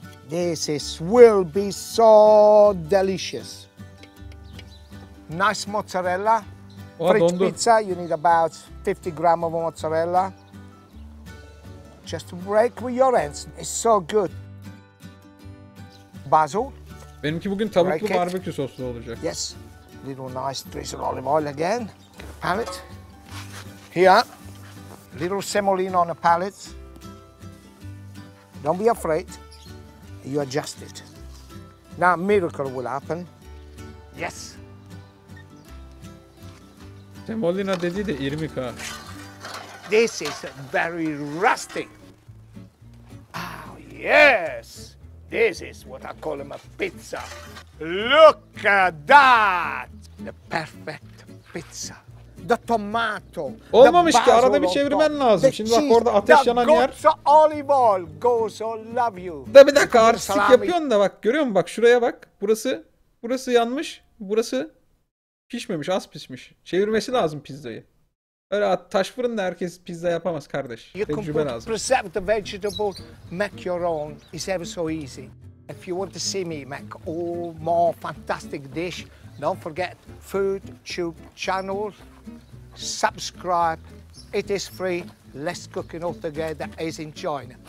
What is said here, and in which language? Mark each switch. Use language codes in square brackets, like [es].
[en] This is will be so delicious. Nice mozzarella. For each pizza, you need about 50 grams of mozzarella. Just to break with your hands. It's so good. Basil. [tr] Benimki bugün tavuklu barbekü soslu olacak. [en] Yes. Little nice drizzle olive oil again. Palette. Here. Little semolina on the palette. Don't be afraid. You adjust it. Now, miracle will happen. Yes. [tr] Semolina dedi de irmik ha. [en] This is very rustic. Oh yes! This is what I call a pizza. Look at that! The perfect pizza. The tomato. [tr] Olmamış ki arada bir çevirmen lazım. Şimdi bak orada ateş yanan yer. [en] The olive oil goes all love you. [tr] Da bir dakika artistik yapıyorsun da bak görüyor musun? Bak şuraya bak. Burası yanmış. Burası pişmemiş, az pişmiş. Çevirmesi lazım pizzayı. Öyle taş fırında herkes pizza yapamaz kardeş. Tecrübe lazım. [en] You can preserve the vegetable, make your own. It's ever so easy. If you want to see me make all more fantastic dish, don't forget FoodTube channel. Subscribe. It is free. Let's cook it all together as enjoying.